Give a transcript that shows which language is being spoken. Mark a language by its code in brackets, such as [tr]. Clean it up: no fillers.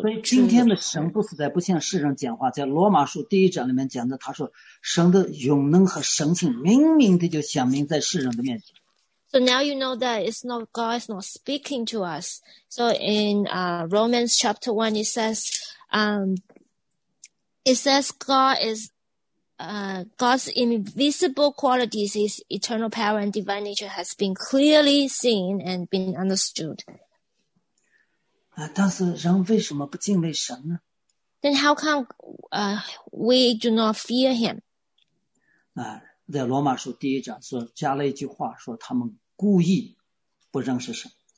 [zh] 所以今天的神不是在不向世人讲话，在罗马书第一章里面讲的，他说神的永能和神性明明的就显明在世人的面前。 [en] So now you know that it's not God is not speaking to us. So in Romans chapter 1, it says, It says God is, God's invisible qualities, his eternal power and divine nature has been clearly seen and been understood. [zh] 但是人为什么不敬畏神呢? [en] Then how come, we do not fear him? [zh] 在罗马书第一章说加了一句话说他们故意不认识神。